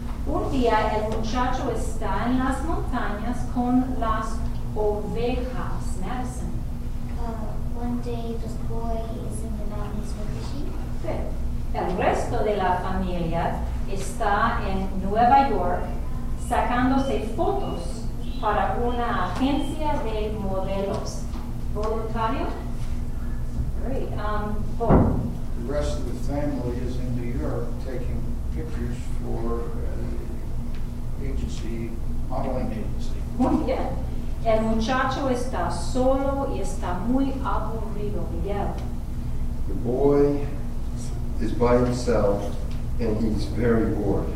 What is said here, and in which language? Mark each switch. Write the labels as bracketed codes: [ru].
[es] Un día el muchacho está en las montañas con las ovejas. [en] Madison. One day the boy is in the mountains with the sheep. Good. [es] El resto de la familia está en Nueva York sacándose fotos para una agencia de modelos. Voluntario? [en] Great. Bob. The rest of the family is in New York taking pictures for a modeling agency. Yeah. [es] El muchacho está solo y está muy aburrido. [en] Miguel. The boy is by himself, and he's very bored.